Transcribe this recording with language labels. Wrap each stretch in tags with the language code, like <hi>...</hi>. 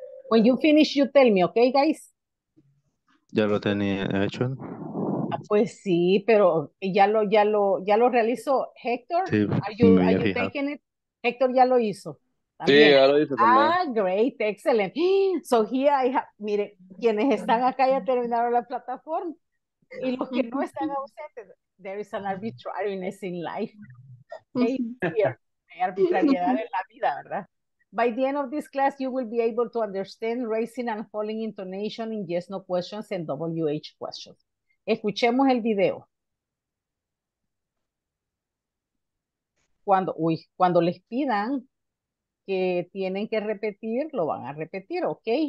<en>When you finish, you tell me, ok, guys.</en> <es>Ya lo tenía hecho. Ah, pues sí, pero ya lo realizó Héctor. Sí,</es> <en>are you taking it?</en> <es>Héctor ya lo hizo. ¿También? Sí, ya lo hizo también.</es> <en>Ah, great, excellent. So here I have,</en> <es>mire, quienes están acá ya terminaron la plataforma. Y los que no están ausentes,</es> <en>there is an arbitrariness in life.</en> <es>Hey, hay arbitrariedad en la vida, ¿verdad?</es> <en>By the end of this class, you will be able to understand raising and falling intonation in yes, no questions and WH questions.</en> <es>Escuchemos el video. Cuando les pidan que tienen que repetir, lo van a repetir, ¿ok?</es>